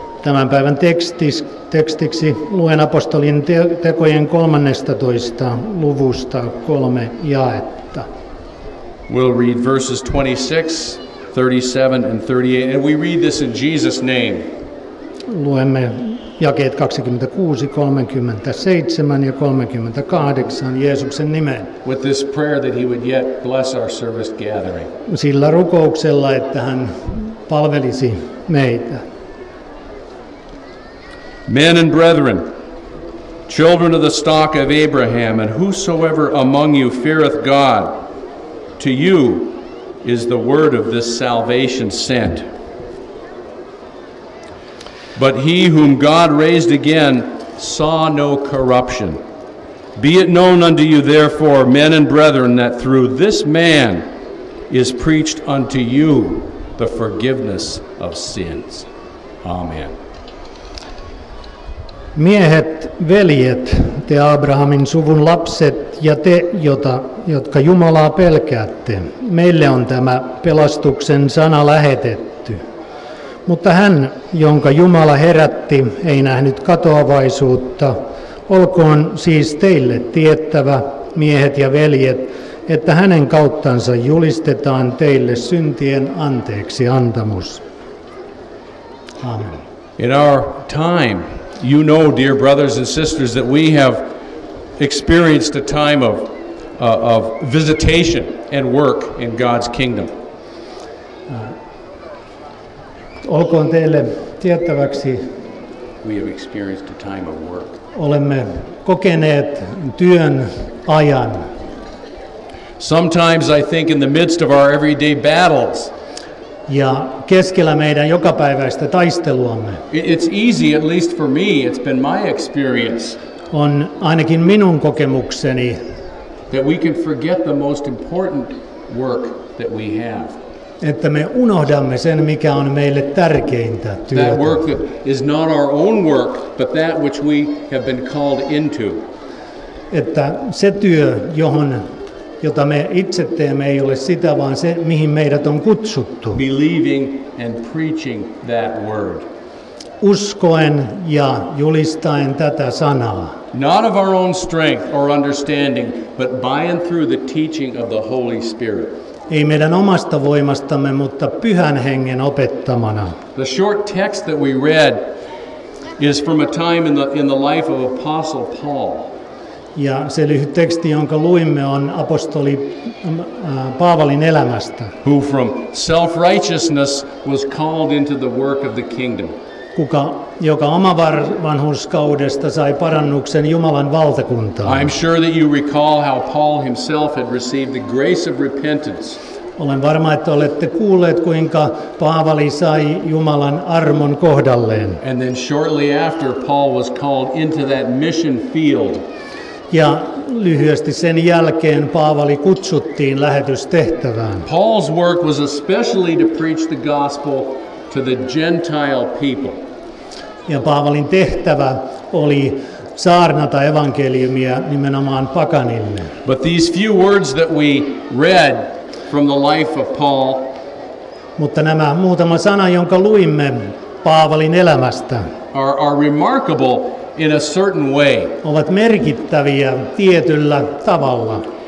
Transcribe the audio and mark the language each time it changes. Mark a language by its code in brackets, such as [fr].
[fi] Tämän päivän tekstiksi luen apostolin tekojen 13. luvusta kolme jaetta. [en] We'll read verses 26, 37 and 38, and we read this in Jesus' name. [fi] luemme jakeet 26, 37 ja 38 Jeesuksen nimen. [en] With this prayer that he would yet bless our service gathering. [fi] Sillä rukouksella, että hän palvelisi meitä. [en] Men and brethren, children of the stock of Abraham, and whosoever among you feareth God, to you is the word of this salvation sent. But he whom God raised again saw no corruption. Be it known unto you therefore, men and brethren, that through this man is preached unto you the forgiveness of sins. Amen. [fi] Miehet, veljet, te Abrahamin suvun lapset ja te, jotka Jumalaa pelkäätte, meille on tämä pelastuksen sana lähetetty. Mutta hän, jonka Jumala herätti, ei nähnyt katoavaisuutta. Olkoon siis teille tiettävä, miehet ja veljet, että hänen kauttansa julistetaan teille syntien anteeksi antamus. Amen. [en] In our time, you know, dear brothers and sisters, that we have experienced a time of visitation and work in God's kingdom. [fi] Olkoon teille tiettäväksi. [en] We have experienced a time of work. [fi] Olemme kokeneet työn ajan. [en] Sometimes I think in the midst of our everyday battles. [fi] Ja keskellä meidän jokapäiväistä taisteluamme. [en] It's easy, at least for me, it's been my experience. [fi] On ainakin minun kokemukseni. [en] That we can forget the most important work that we have. [fi] Että me unohdamme sen, mikä on meille tärkeintä työtä. [en] That work that is not our own work, but that which we have been called into. [fi] Että se työ, jota me itse teemme, ei ole sitä, vaan se, mihin meidät on kutsuttu. [en] Believing and preaching that word. [fi] Uskoen ja julistaen tätä sanaa. [en] Not of our own strength or understanding, but by and through the teaching of the Holy Spirit. [fi] Ei meidän omasta voimastamme, mutta Pyhän Hengen opettamana. [en] The short text that we read is from a time in the life of Apostle Paul. [fi] Ja se lyhyt teksti, jonka luimme, on apostoli Paavalin elämästä. [en] Who from self-righteousness was called into the work of the kingdom. [fi] Kuka, joka omavanhurskaudesta sai parannuksen Jumalan valtakuntaan. [en] I'm sure that you recall how Paul himself had received the grace of repentance. [fi] Olen varma, että olette kuulleet, kuinka Paavali sai Jumalan armon kohdalleen. [en] And then shortly after, Paul was called into that mission field. [fi] Ja lyhyesti sen jälkeen Paavali kutsuttiin lähetystehtävään. [en] Paul's work was especially to preach the gospel to the Gentile people. [fi] Ja Paavalin tehtävä oli saarnata evankeliumia nimenomaan pakanille. [en] But these few words that we read from the life of Paul. [fi] Mutta nämä muutama sana, jonka luimme Paavalin elämästä. [en] Are remarkable in a certain way. [fi] Ovat merkittäviä tietyllä tavalla.